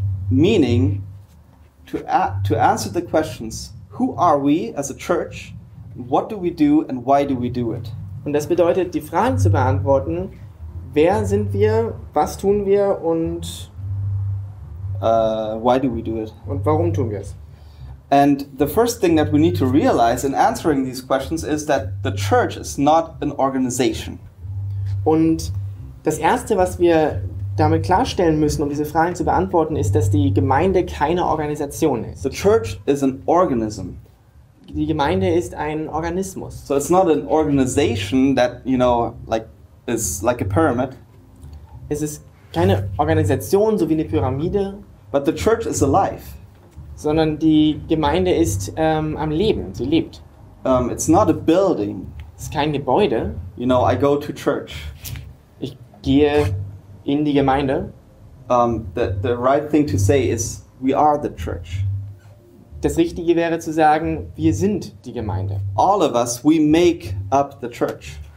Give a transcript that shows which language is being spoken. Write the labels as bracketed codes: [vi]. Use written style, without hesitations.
[en] Meaning to answer the questions, who are we as a church? What do we do and why do we do it? [de] Und das bedeutet, die Fragen zu beantworten, wer sind wir, was tun wir und [en] why do we do it? [de] Und warum tun wir es? [en] And the first thing that we need to realize in answering these questions is that the church is not an organization. [de] Und das erste, was wir damit klarstellen müssen, um diese Fragen zu beantworten, ist, dass die Gemeinde keine Organisation ist. [en] The church is an organism. [de] Die Gemeinde ist ein Organismus. [en] So it's not an organization that, you know, like is like a pyramid. [de] Es ist keine Organisation, so wie eine Pyramide. [en] But the church is alive. [de] Sondern die Gemeinde ist am Leben, sie lebt. [en] It's not a building. [de] Es ist kein Gebäude. [en] You know, I go to church. [de] Ich gehe in die Gemeinde. [en] The right thing to say is we are the church. [de] Das Richtige wäre zu sagen, wir sind die Gemeinde. [en] All of us, we make up the church.